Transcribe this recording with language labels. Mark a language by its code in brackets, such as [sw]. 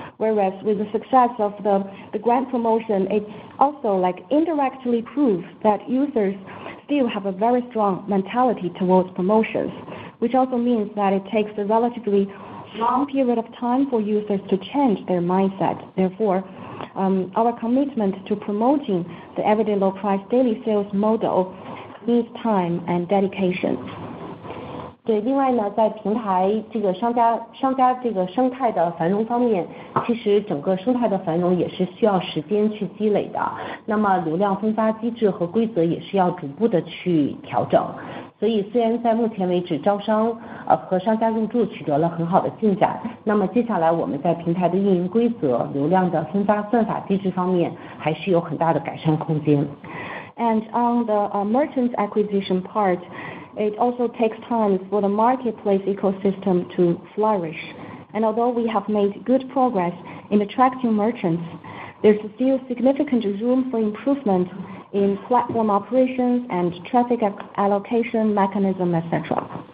[en] Whereas with the success of the grand promotion, it also like indirectly proves that users still have a very strong mentality towards promotions, which also means that it takes a relatively long period of time for users to change their mindset. Therefore, our commitment to promoting the everyday low price daily sales model needs time and dedication. [zh] 对，另外呢，在平台这个商家这个生态的繁荣方面，其实整个生态的繁荣也是需要时间去积累的。那么流量分发机制和规则也是要逐步的去调整。所以虽然在目前为止招商和商家入驻取得了很好的进展，那么接下来我们在平台的运营规则、流量的分发算法机制方面，还是有很大的改善空间。 [en] And on the merchant acquisition part. It also takes time for the marketplace ecosystem to flourish. And although we have made good progress in attracting merchants, there's still significant room for improvement in platform operations and traffic allocation mechanism, etc.